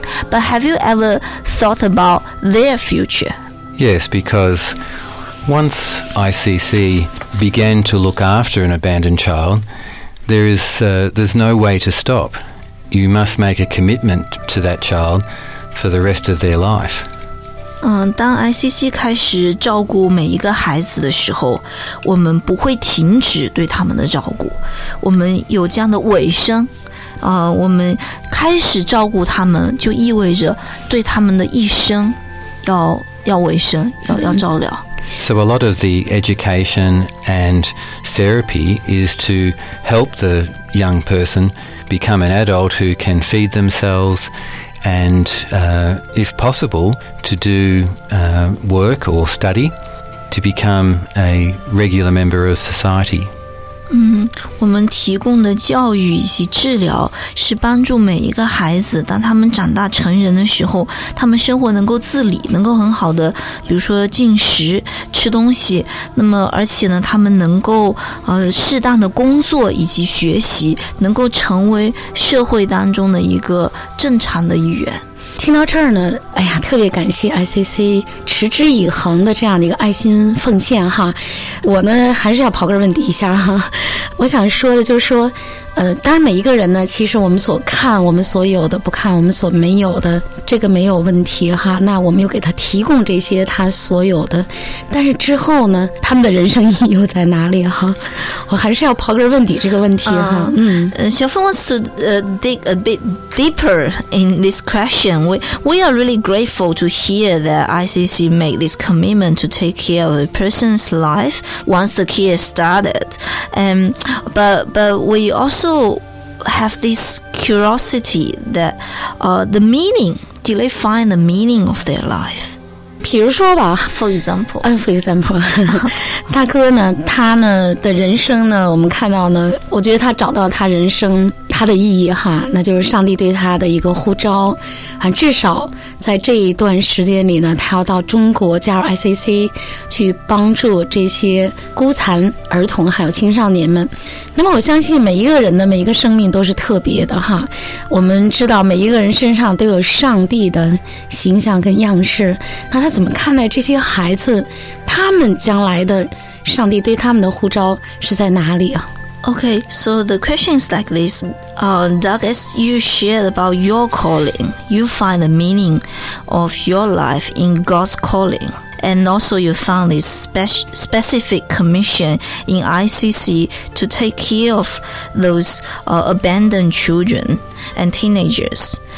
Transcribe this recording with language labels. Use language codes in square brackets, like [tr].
[en] But have you ever thought about their future? Yes, because once ICC began to look after an abandoned child, there's no way to stop. You must make a commitment to that child for the rest of their life. [zh] 当 ICC 开始照顾每一个孩子的时候，我们不会停止对他们的照顾。我们有这样的尾声，我们开始照顾他们，就意味着对他们的一生要尾声，要照料。 [en] So a lot of the education and therapy is to help the young person become an adult who can feed themselves and, if possible, to do work or study to become a regular member of society. [zh] 我们提供的教育以及治疗是帮助每一个孩子，当他们长大成人的时候，他们生活能够自理，能够很好的比如说进食吃东西，那么而且呢他们能够适当的工作以及学习，能够成为社会当中的一个正常的一员。听到这儿呢，哎呀，特别感谢 ICC 持之以恒的这样的一个爱心奉献哈。我呢还是要刨根问底一下哈，我想说的就是说，当然每一个人呢，其实我们所看、我们所有的、不看、我们所没有的，这个没有问题哈。那我们又给他提供这些他所有的，但是之后呢，他们的人生意义又在哪里哈？我还是要刨根问底这个问题哈。 [en] 小峰 wants to dig a bit deeper in this question. We are really grateful to hear that ICC make this commitment to take care of a person's life once the care started. But we also have this curiosity that the meaning, do they find the meaning of their life? [zh] 比如说吧 [en] For example [zh] 大哥呢，他呢的人生呢，我们看到呢，我觉得他找到他人生他的意义哈，那就是上帝对他的一个呼召啊。至少在这一段时间里呢，他要到中国加入 ICC 去帮助这些孤残儿童还有青少年们。那么我相信每一个人的每一个生命都是特别的哈，我们知道每一个人身上都有上帝的形象跟样式，那他怎么看待这些孩子，他们将来的上帝对他们的呼召是在哪里啊？ [en] Okay, so the question is like this. Doug, as you shared about your calling, you find the meaning of your life in God's calling. And also you found this specific commission in ICC to take care of those abandoned children and teenagers.